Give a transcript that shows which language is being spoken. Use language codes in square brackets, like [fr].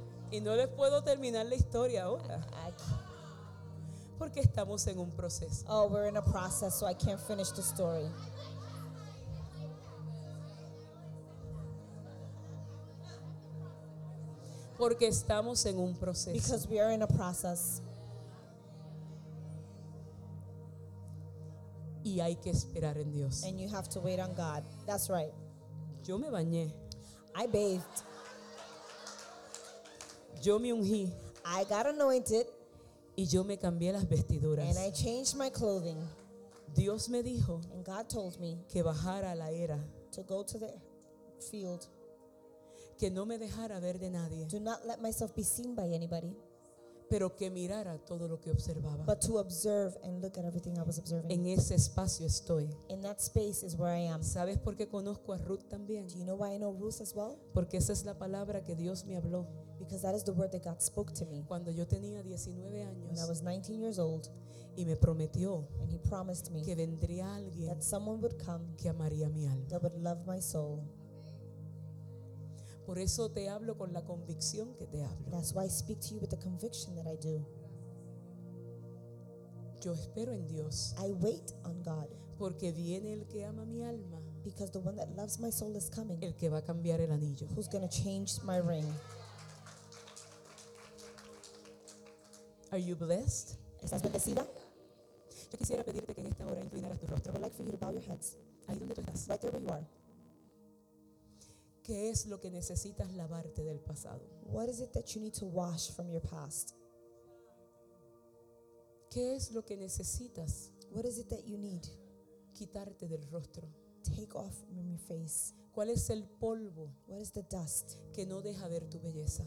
[es] Y no les puedo terminar la historia ahora. Porque estamos en un proceso. [en] Oh, we're in a process, so I can't finish the story. [es] Porque estamos en un proceso. [en] Because we are in a process. [es] Y hay que esperar en Dios. [en] And you have to wait on God. That's right. [es] Yo me bañé. [en] I bathed. [es] Yo me ungí. [en] I got anointed. [es] Y yo me cambié las vestiduras. [en] And I changed my clothing. [es] Dios me dijo. [en] And God told me. [es] Que bajara a la era. [en] To go to the field. [es] Que no me dejara ver de nadie. [en] Do not let myself be seen by anybody. [es] Pero que mirara todo lo que observaba. [en] But to observe and look at everything I was observing. [es] En ese espacio estoy. [en] In that space is where I am. [es] ¿Sabes por qué conozco a Ruth también? [en] Do you know why I know Ruth as well? [es] Porque esa es la palabra que Dios me habló. [en] Because that is the word that God spoke to me. [es] Cuando yo tenía 19 años. [en] When I was 19 years old. [es] Y me prometió. [en] And he promised me. [es] Que vendría alguien. [en] That someone would come. [es] Que amaría mi alma. [en] That would love my soul. [es] Por eso te hablo con la convicción que te hablo. [en] That's why I speak to you with the conviction that I do. [es] Yo espero en Dios. [en] I wait on God. [es] Porque viene el que ama mi alma. [en] Because the one that loves my soul is coming. [es] El que va a cambiar el anillo. [en] Who's going to change my ring. Are you blessed? [es] ¿Estás bendecida? Yo quisiera pedirte que en esta hora inclinaras tu rostro. [en] I would like for you to bow your heads. [es] Ahí donde tú estás. [en] Right there where you are. [es] ¿Qué es lo que necesitas lavarte del pasado? [en] What is it that you need to wash from your past? [es] ¿Qué es lo que necesitas? [en] What is it that you need? [es] Quitarte del rostro. [en] Take off from your face. [es] ¿Cuál es el polvo? [en] What is the dust? [es] Que no deja ver tu belleza.